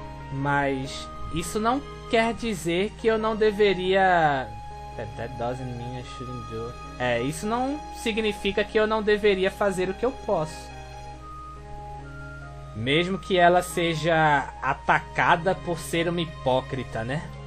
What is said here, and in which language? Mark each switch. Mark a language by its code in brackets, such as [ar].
[pt] Mas isso não quer dizer que eu não deveria... [en] That doesn't mean I shouldn't do... [pt] isso não significa que eu não deveria fazer o que eu posso. Mesmo que ela seja atacada por ser uma hipócrita, né?